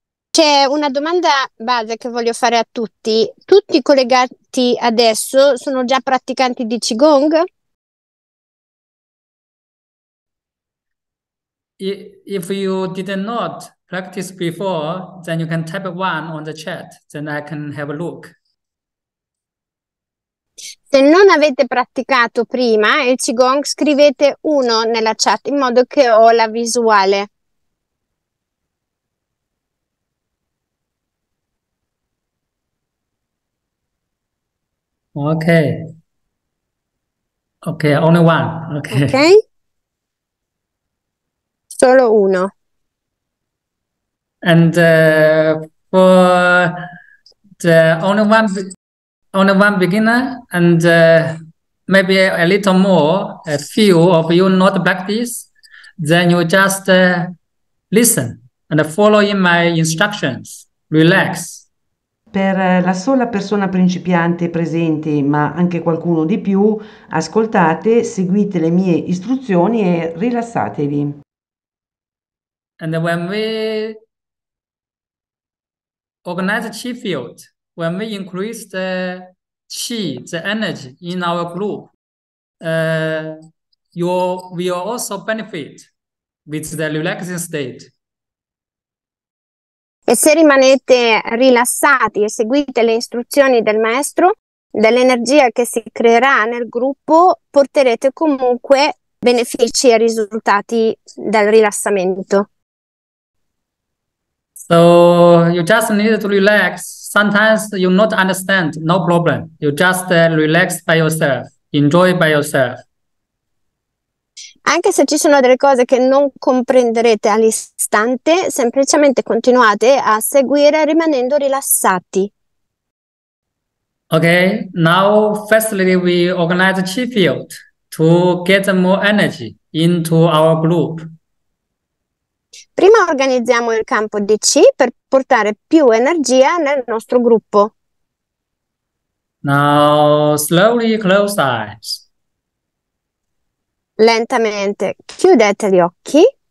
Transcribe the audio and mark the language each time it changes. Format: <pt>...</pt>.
<it>C'è una domanda base che voglio fare a tutti. Tutti collegati adesso sono già praticanti di Qigong?</it> <en>If you did not practice before, then you can type one on the chat, then I can have a look.</en> <it>Se non avete praticato prima il Qigong, scrivete uno nella chat in modo che ho la visuale.</it> <en>Ok, only one. Okay. Ok.</en> <it>Solo uno.</it> <en>And for the only one beginner, and maybe a little more, a few of you not practice, then you just listen and follow in my instructions. Relax.</en> <it>Per la sola persona principiante presente, ma anche qualcuno di più, ascoltate, seguite le mie istruzioni e rilassatevi.</it> <en>And when we organize the qi field, when we increase the qi, the energy in our group, you will also benefit with the relaxing state.</en> <it>E se rimanete rilassati e seguite le istruzioni del maestro, dell'energia che si creerà nel gruppo, porterete comunque benefici e risultati dal rilassamento.</it> <en>So you just need to relax. Sometimes you not understand, no problem. You just relax by yourself, enjoy by yourself.</en> <it>Anche se ci sono delle cose che non comprenderete all'istante, semplicemente continuate a seguire rimanendo rilassati.</it> <en>Ok, now firstly we organize the qi field to get more energy into our group.</en> <it>Prima organizziamo il campo di qi per portare più energia nel nostro gruppo.</it> <en>Now slowly close eyes.</en> <it>Lentamente chiudete gli occhi.</it>